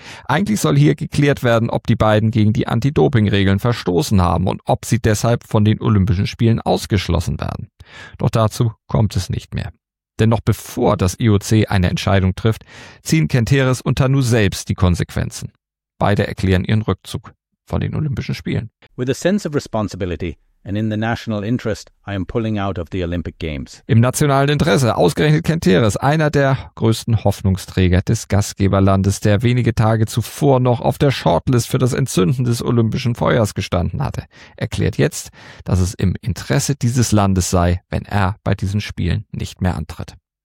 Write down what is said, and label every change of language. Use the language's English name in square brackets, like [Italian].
[German] Eigentlich soll hier geklärt werden, ob die beiden gegen die Anti-Doping-Regeln verstoßen haben und ob sie deshalb von den Olympischen Spielen ausgeschlossen werden. Doch dazu kommt es nicht mehr. Denn noch bevor das IOC eine Entscheidung trifft, ziehen Kenteris und Tanu selbst die Konsequenzen. Beide erklären ihren Rückzug von den Olympischen Spielen. [English] With a sense of responsibility and in the national interest, I am pulling out of the Olympic Games. [German] Im nationalen Interesse, ausgerechnet Kenteris, einer der größten Hoffnungsträger des Gastgeberlandes, der wenige Tage zuvor noch auf der Shortlist für das Entzünden des Olympischen Feuers gestanden hatte, erklärt jetzt, dass es im Interesse dieses Landes sei, wenn er bei diesen Spielen nicht mehr antritt.